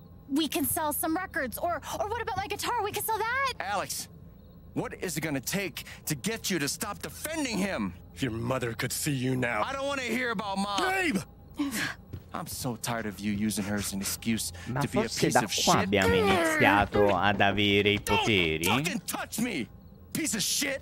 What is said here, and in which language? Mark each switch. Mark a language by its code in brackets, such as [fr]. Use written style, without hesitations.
[en] We can sell some records. Or what about my guitar? We can sell that. Alex, what is it gonna take to get you to stop defending him? If your mother could see you now. I don't want to hear about Mom. Gabe! I'm so tired of you using her as an excuse [it] ma [en] to be a piece of shit. [it] Ma forse da qua abbiamo iniziato ad avere i poteri. [en] Don't fucking touch me, piece of shit.